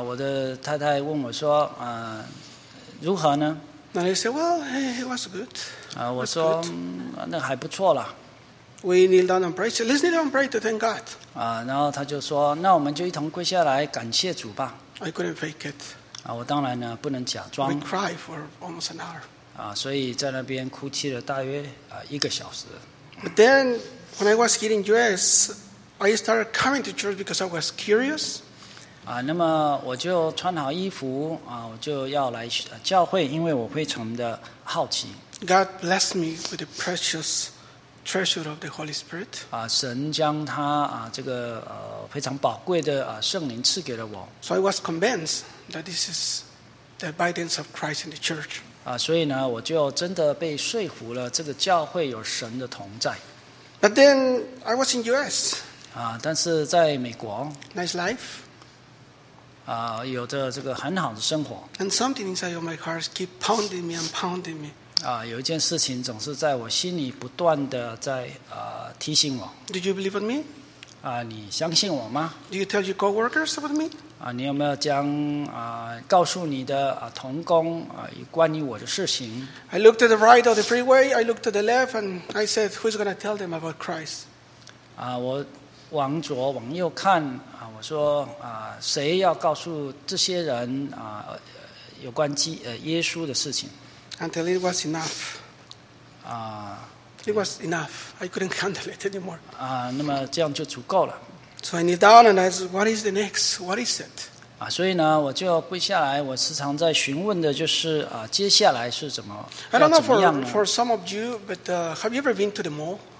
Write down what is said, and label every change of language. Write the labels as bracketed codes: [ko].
[zh] 我的太太问我说，如何呢 [en] ？And I said, well, it was good. [zh] 我说那还不错啦。 [en] We kneel down and pray. Let's kneel down and pray to thank God. [zh] 然后他就说，那我们就一同跪下来感谢主吧。 [en] I couldn't fake it. [zh] 我当然呢不能假装。 [en] We cried for almost an hour. [zh] 所以在那边哭泣了大约一个小时。 [en] But then, when I was here in US, I started coming to church because I was curious. [zh] 那么我就穿好衣服我就要来教会，因为我非常的好奇。 [en] God blessed me with the precious treasure of the Holy Spirit. [zh] 神将他这个非常宝贵的圣灵赐给了我。 [en] So I was convinced. That this is the abidance of Christ in the church. [zh] 所以呢，我就真的被说服了。这个教会有神的同在。 [en] But then I was in U.S. [zh] 但是在美国。 [en] Nice life. [zh] 有着这个很好的生活。 [en] And something inside of my heart keep pounding me and pounding me. [zh] 有一件事情总是在我心里不断的在提醒我。 [en] Did you believe in me? [zh] 你相信我吗 [en] ？Do you tell your coworkers about me? [zh] 你有没有将告诉你的同工关于我的事情 [en] ？I looked at the right of the freeway. I looked at the left, and I said, "Who's going to tell them about Christ?" [zh] 我往左往右看我说谁要告诉这些人有关基耶稣的事情。 [en] Until it was enough. It was enough. I couldn't handle it anymore. [zh] 那么这样就足够了。 [en] So I kneel down and I said, "What is the next? What is it?" [zh] 所以呢，我就要跪下来。我时常在询问的就是接下来是怎么要怎么样呢？ [en] I don't know for some of you, but have you ever been to the mall?